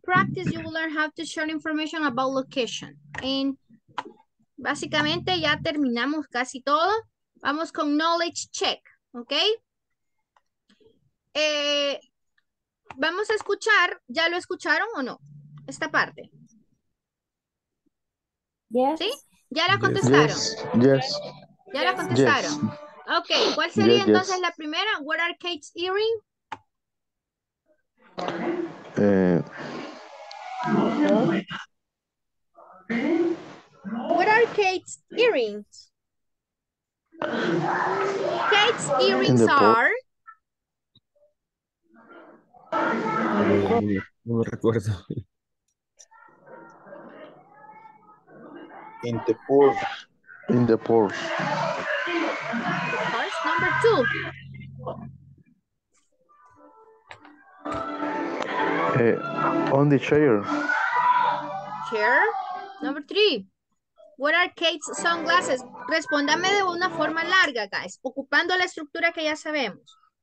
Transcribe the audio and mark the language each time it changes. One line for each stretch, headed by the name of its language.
English: practice, you will learn how to share information about location.
Spanish: And básicamente ya terminamos casi todo. Vamos con knowledge check, ¿ok? Vamos a escuchar, ¿ya lo escucharon o no? Esta parte.
English: Yes.
Spanish: ¿Sí? ¿Ya la contestaron?
English: Yes.
Spanish: ¿Ya la contestaron? Yes. Ok, ¿cuál sería yes, entonces yes. la primera?
English: What are Kate's earrings? What are Kate's earrings? Kate's earrings are...
Spanish: No me recuerdo.
English: In the purse. In the purse. Purse number two. On the chair. Chair. Number three. What are Kate's sunglasses?
Spanish: Respóndame de una forma larga, guys. Ocupando la estructura que ya sabemos.